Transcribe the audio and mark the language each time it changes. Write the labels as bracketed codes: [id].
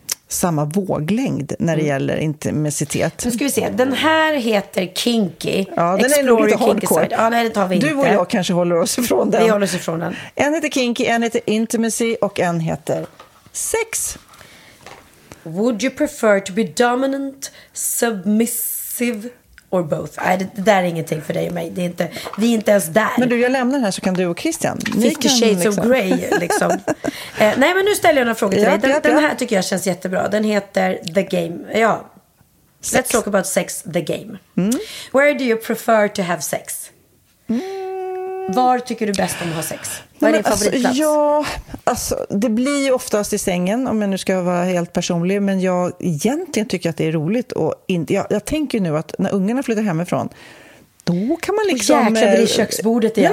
[sv] samma våglängd när det gäller intimitet. Nu ska vi se. Den här heter Kinky. Ja, den [en] Explore [sv] är lite hardcore. Ja, nej, det tar vi inte. Du och jag kanske håller oss ifrån den. Vi håller oss ifrån den. En heter Kinky, en heter Intimacy och en heter Sex. [en] Would you prefer to be dominant, submissive or both? [sv] Nej, det där är ingenting för dig och mig. Det är inte, vi är inte ens där. Men du, jag lämnar den här så kan du och Christian. Fifty Shades liksom. Of Grey, liksom. Nej, men nu ställer jag några frågor till dig. Den här tycker jag känns jättebra. Den heter The Game. Ja. Sex. [en] Let's talk about sex, The Game. Mm. Where do you prefer to have sex? Mm. [sv] Var tycker du bäst om att ha sex? Vad är din favoritplats? Alltså, ja, alltså, det blir ju oftast i sängen, om jag nu ska vara helt personlig. Men jag egentligen tycker att det är roligt. Och jag tänker nu att när ungarna flyttar hemifrån, då kan man liksom... Och jäklar, det är köksbordet igen.